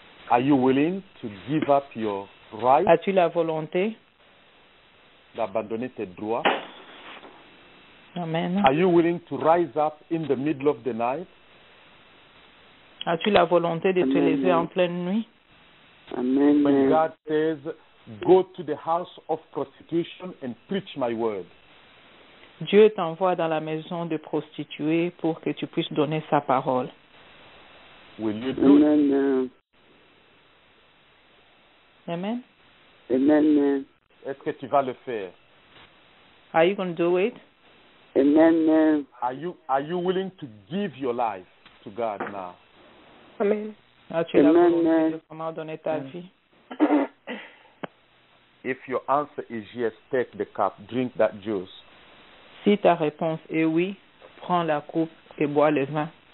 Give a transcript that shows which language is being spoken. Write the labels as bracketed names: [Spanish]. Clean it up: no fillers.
[English] Are you willing to give up your right? [French] As-tu la volonté d'abandonner tes droits? Amen. [English] Are you willing to rise up in the middle of the night? [French] As-tu la volonté de te lever en pleine nuit? Amen. [English] When God says, go to the house of prostitution and preach my word. [French] Dieu t'envoie dans la maison de prostituées pour que tu puisses donner sa parole. [English] Will you do it? Amen. Amen. Amen. [French] Est-ce que tu vas le faire? [English] Are you going to do it? Amen. Are you willing to give your life to God now? Amen. [French] As-tu la volonté de vraiment donner ta vie? [English] If your answer is yes, take the cup, drink that juice. [French] Si ta réponse est oui, prends la coupe et bois le vin.